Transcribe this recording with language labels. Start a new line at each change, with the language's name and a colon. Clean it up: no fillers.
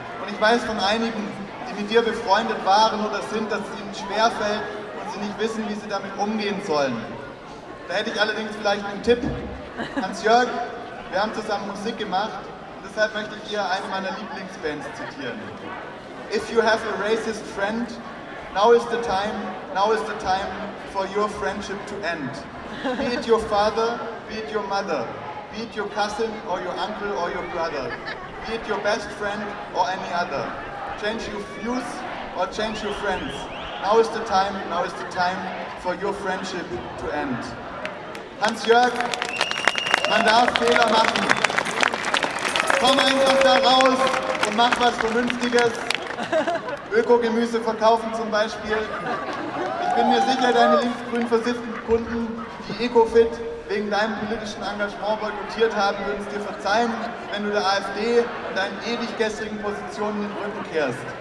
German: Und ich weiß von einigen, die mit dir befreundet waren oder sind, dass es ihnen schwerfällt und sie nicht wissen, wie sie damit umgehen sollen. Da hätte ich allerdings vielleicht einen Tipp. Hans-Jörg, wir haben zusammen Musik gemacht und deshalb möchte ich dir eine meiner Lieblingsbands zitieren.
English: If you have a racist friend, now is the time for your friendship to end. Be it your father, be it your mother, be it your cousin or your uncle or your brother, be it your best friend or any other. Change your views or change your friends. Now is the time for your friendship to end.
German: Hans-Jörg, man darf Fehler machen. Komm einfach da raus und mach was Vernünftiges. Öko-Gemüse verkaufen zum Beispiel. Ich bin mir sicher, deine linksgrün versifften Kunden, die Ecofit wegen deinem politischen Engagement boykottiert haben, würden es dir verzeihen, wenn du der AfD und deinen ewig gestrigen Positionen in den Rücken kehrst.